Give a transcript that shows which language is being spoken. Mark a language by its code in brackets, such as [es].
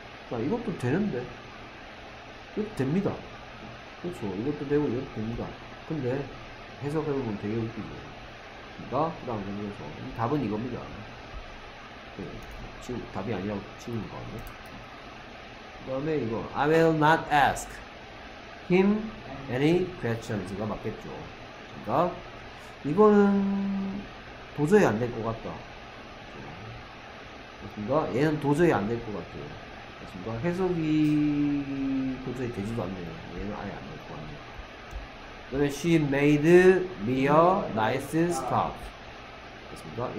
[ko] 자, 이것도 되는데. 이것도 됩니다. 그렇죠. 이것도 되고, 이것도 됩니다. 근데, 해석해보면 되게 웃기죠. 그니까, 그 다음 문제에서. 답은 이겁니다. 네, 지금 답이 아니라고 치는 거 같네. 그 다음에 이거. [en] I will not ask him any questions [ko] 가 맞겠죠. 그니까, 이거는 도저히 안 될 것 같다. 그니까, 얘는 도저히 안 될 것 같아요. 그니까, 해석이 도저히 되지도 않네요. 얘는 아예 안 될 것 같네요. 그 다음에 [en] she made me a nice scarf. [ko] 됐습니다.